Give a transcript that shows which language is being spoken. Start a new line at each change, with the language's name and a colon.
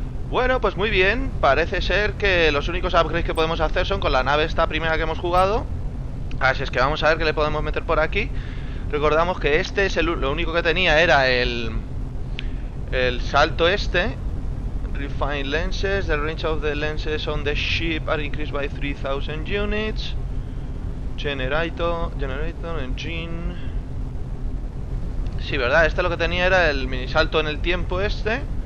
Spanish: Bueno, pues muy bien, parece ser que los únicos upgrades que podemos hacer son con la nave esta primera que hemos jugado. Así es que vamos a ver qué le podemos meter por aquí. Recordamos que este es lo único que tenía, era el salto este.
English: Refine lenses, the range of the lenses on the ship are increased by 3000 units. Generator, engine.
Spanish: Sí, verdad, este lo que tenía era el mini salto en el tiempo este.